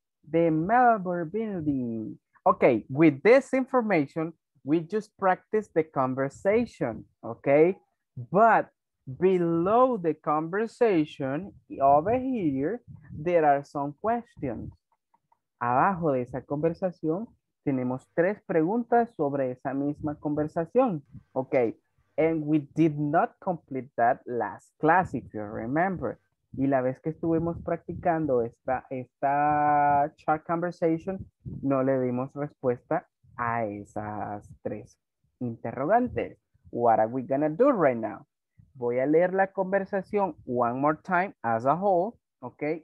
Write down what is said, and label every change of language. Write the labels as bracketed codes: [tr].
[en] The Melbourne building. Okay, with this information, we just practiced the conversation, okay? But below the conversation, over here, there are some questions. [es] Abajo de esa conversación, tenemos tres preguntas sobre esa misma conversación, okay? [en] And we did not complete that last class, if you remember. [es] Y la vez que estuvimos practicando esta [en] chat conversation, [es] no le dimos respuesta a esas tres interrogantes. [en] What are we gonna do right now? [es] Voy a leer la conversación [en] one more time as a whole, okay?